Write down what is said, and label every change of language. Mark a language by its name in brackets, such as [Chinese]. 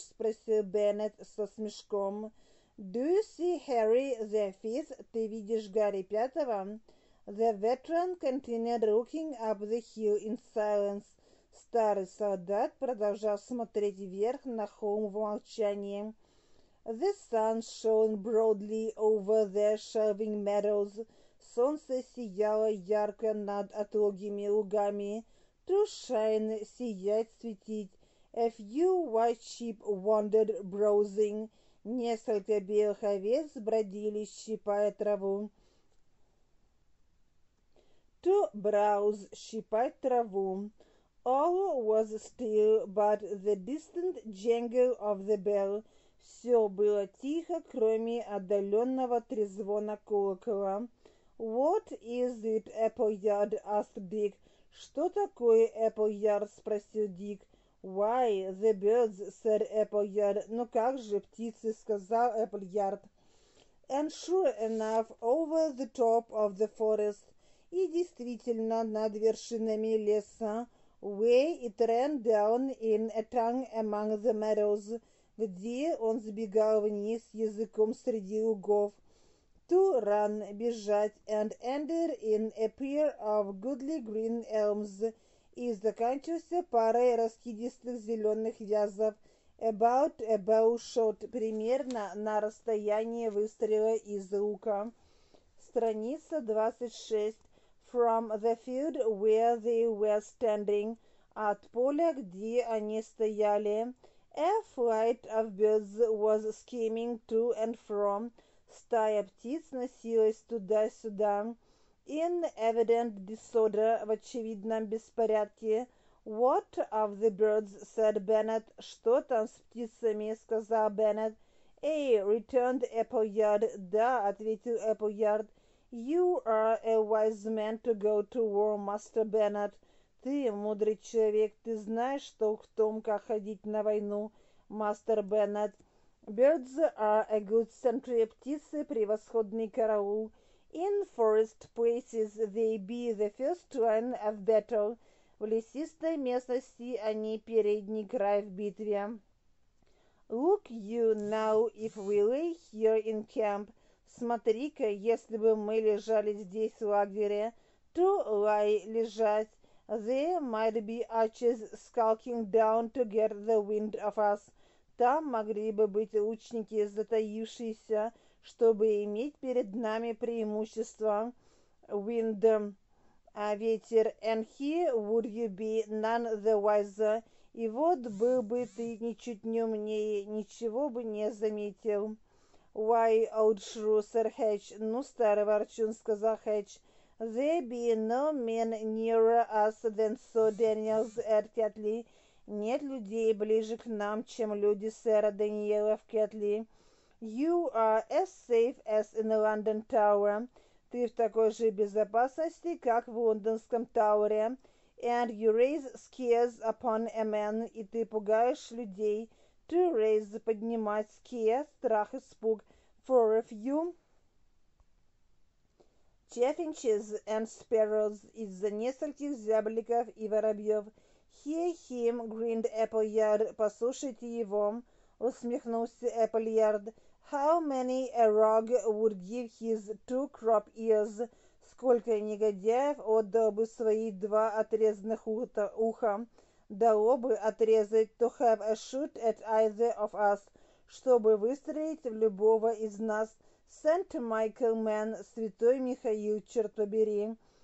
[Russian] Спросил Беннет со смешком. [English] Do you see Harry the Fifth? [Russian] Ты видишь Гарри Пятого? [English] The veteran continued looking up the hill in silence. [Russian] Старый солдат продолжал смотреть вверх на холм в молчании. [English] The sun shone broadly over the shelving meadows. [Russian] Солнце сияло ярко над отлогими лугами. [English] To shine, [Russian] сиять, светить. [English] A few white sheep wandered browsing. [Russian] Несколько белых овец бродили, щипая траву. [English] To browse, [Russian] щипать траву. [English] All was still, but the distant jangle of the bell. [Russian] Все было тихо, кроме отдаленного трезвона колокола. [English] What is it, Appleyard? Asked Dick. [Russian] Что такое, Appleyard? Спросил Дик. [English] Why, the birds, said Appleyard. [Russian] Ну как же, птицы, сказал Appleyard. [English] And sure enough, over the top of the forest. [Russian] И действительно, над вершинами леса. [English] Way it ran down in a tongue among the meadows. [Russian] Где он сбегал вниз языком среди лугов. [English] To run, [Russian] бежать, [English] and ended in a pair of goodly green elms. [Russian] И заканчивался парой раскидистых зеленых вязов. [English] About a bow shot, [Russian] примерно на расстоянии выстрела из лука. Страница 26. [English] From the field where they were standing. [Russian] От поля, где они стояли. [English] A flight of birds was skimming to and fro. [Russian] Стая птиц носилась туда-сюда. [English] In evident disorder, [Russian] в очевидном беспорядке. [English] What of the birds, said Bennet. [Russian] Что там с птицами, сказал Bennet. Эй, returned Appleyard. Да, ответил Appleyard. [English] You are a wise man to go to war, Master Bennet. [Russian] Ты мудрый человек, ты знаешь, что в том, как ходить на войну, Мастер Беннет. [English] Birds are a good sentry, [Russian] птицы превосходный караул. [English] In forest places they be the first line of battle. [Russian] В лесистой местности они передний край в битве. [English] Look you now if we lay here in camp. [Russian] Смотри-ка, если бы мы лежали здесь в лагере. [English] To lie, [Russian] лежать. [English] There might be archers skulking down to get the wind of us. [Russian] Там могли бы быть лучники, затаившиеся, чтобы иметь перед нами преимущество. [English] Wind, [Russian] а ветер. [English] And here would you be none the wiser. [Russian] И вот был бы ты ничуть не умнее, ничего бы не заметил. [English] Why, old shrew, sir Hatch. [Russian] Ну, старый ворчун, сказал Хэтч. [English] There be no men nearer us than so Daniels at Ketley. [Russian] Нет людей ближе к нам, чем люди сэра Даниэла в Кетли. [English] You are as safe as in the London Tower. [Russian] Ты в такой же безопасности, как в Лондонском Тауэре. [English] And you raise scares upon a man. [Russian] И ты пугаешь людей. [English] To raise, [Russian] поднимать [English] scare, [Russian] страх, испуг. [English] For a few chaffinches and sparrows, [Russian] из-за нескольких зябликов и воробьев. [English] Hear him, grinned Appleyard, [Russian] послушайте его. усмехнулся Эппельярд. [English] «How many a rogue would give his two crop ears? [Russian] Сколько негодяев отдал бы свои два отрезанных уха? Дало бы отрезать [English] to have a shoot at either of us, [Russian] чтобы выстрелить в любого из нас. [English] Saint Michael Man, [Russian] святой Михаил, черт побери.